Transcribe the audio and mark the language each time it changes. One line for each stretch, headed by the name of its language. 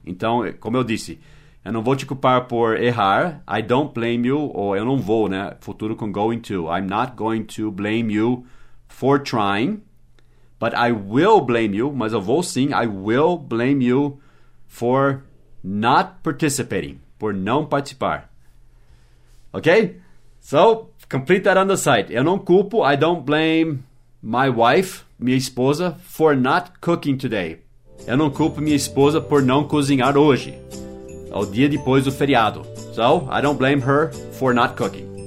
Portuguese: Então, como eu disse, eu não vou te culpar por errar.
English: I don't blame you.
Portuguese: Ou eu não vou, né? Futuro com going to.
English: I'm not going to blame you for trying. But I will blame you.
Portuguese: Mas eu vou sim.
English: I will blame you for not participating.
Portuguese: Por não participar. Ok?
English: So, complete that on the site.
Portuguese: Eu não culpo.
English: I don't blame my wife,
Portuguese: minha esposa,
English: for not cooking today.
Portuguese: Eu não culpo minha esposa por não cozinhar hoje. Ao dia depois do feriado.
English: So, I don't blame her for not cooking.